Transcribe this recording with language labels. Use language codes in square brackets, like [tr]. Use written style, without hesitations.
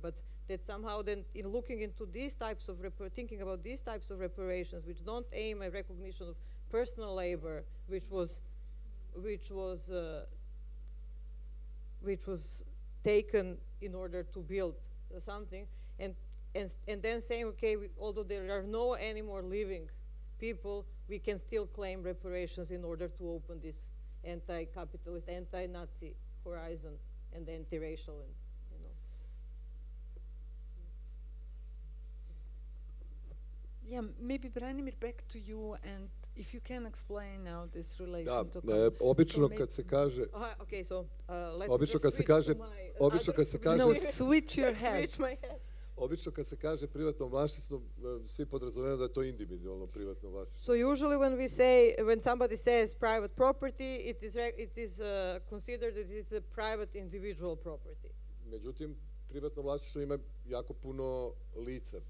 [en] But that somehow then in looking into these types of thinking about these types of reparations, which don't aim at recognition of personal labor, which was taken in order to build something, and then saying, okay, although there are no any more living people, we can still claim reparations in order to open this anti-capitalist, anti-Nazi horizon and anti-racial and yeah, maybe Branimir, back to you, and if you can explain now this relation [hr] da, to obično so kad se kaže. [en] Okay, so [hr] obično kad se kaže, obično kad se kaže, [en] switch your head. Switch my head. [hr] Obično kad se kaže privatno vlasništvo, svi podrazumijevaju da je to individualno privatno vlasništvo. [en] So usually when we say, when somebody says private property, it is considered that it is a private individual property. [hr] Međutim, privatno vlasništvo ima jako puno lica.